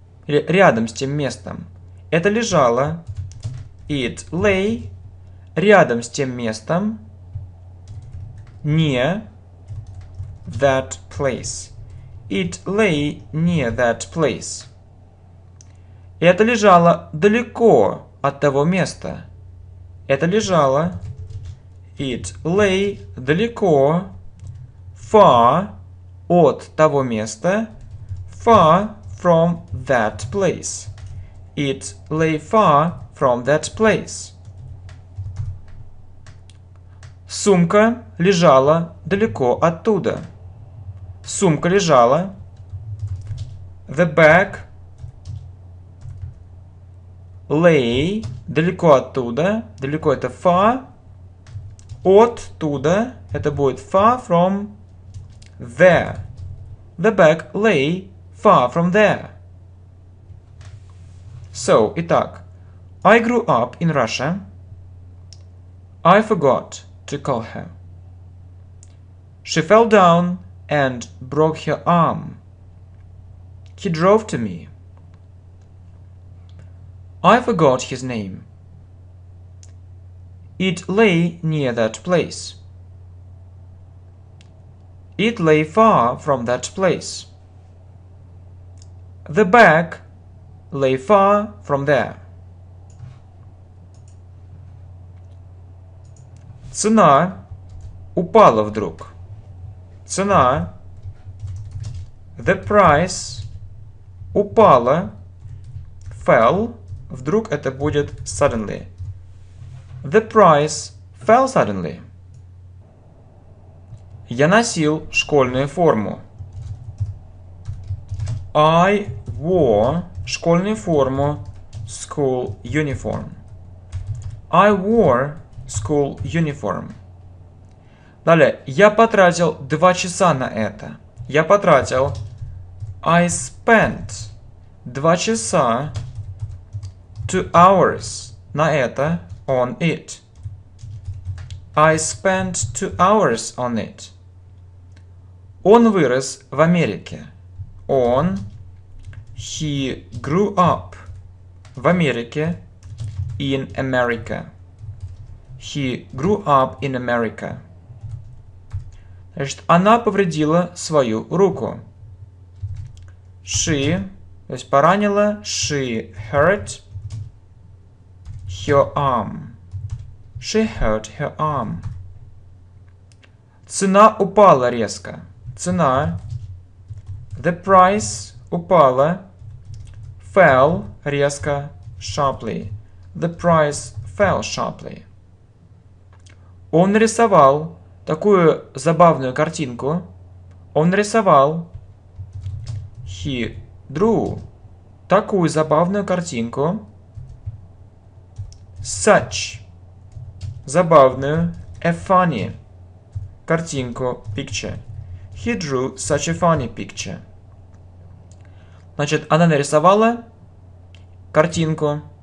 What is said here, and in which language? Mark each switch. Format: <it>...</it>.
<ru>рядом с тем местом. Это лежало.</ru> <en>It lay</en> <ru>рядом с тем местом.</ru> <en>Near that place. It lay near that place.</en> <ru>Это лежало далеко от того места. Это лежало.</ru> <en>It lay</en> <ru>далеко.</ru> <en>Far</en> <ru>от того места.</ru> <en>Far from that place. It lay far from that place.</en> <ru>Сумка лежала далеко оттуда. Сумка лежала.</ru> <en>The bag lay</en> <ru>далеко оттуда. Далеко это far. Оттуда это будет</ru> <en>far from there. The bag lay far from there. So,</en> <ru>итак.</ru> <en>I grew up in Russia. I forgot to call her. She fell down and broke her arm. He drove to me. I forgot his name. It lay near that place. It lay far from that place. The bag lay far from there.</en> <ru>Цена упала вдруг. Цена.</ru> <en>The price</en> <ru>упала.</ru> <en>Fell.</en> <ru>Вдруг это будет</ru> <en>suddenly. The price fell suddenly.</en> <ru>Я носил школьную форму.</ru> <en>I wore</en> <ru>школьную форму,</ru> <en>school uniform. I wore school uniform.</en> <ru>Далее, я потратил 2 часа на это. Я потратил.</ru> <en>I spent 2</en> <ru>часа,</ru> <en>2 hours</en> <ru>на это,</ru> <en>on it. I spent 2 hours on it.</en> <ru>Он вырос в Америке. Он.</ru> <en>He grew up</en> <ru>в Америке.</ru> <en>In America. He grew up in America.</en> <ru>Значит, она повредила свою руку.</ru> <en>She,</en> <ru>то есть поранила,</ru> <en>she hurt her arm. She hurt her arm.</en> <ru>Цена упала резко. Цена.</ru> <en>The price</en> <ru>упала.</ru> <en>Fell</en> <ru>резко,</ru> <en>sharply. The price fell sharply.</en> <ru>Он рисовал такую забавную картинку. Он рисовал.</ru> <en>He drew</en> <ru>такую забавную картинку.</ru> <en>Such.</en> <ru>Забавную.</ru> <en>A funny.</en> <ru>Картинку.</ru> <en>Picture. He drew such a funny picture.</en> <ru>Значит, она нарисовала картинку.</ru>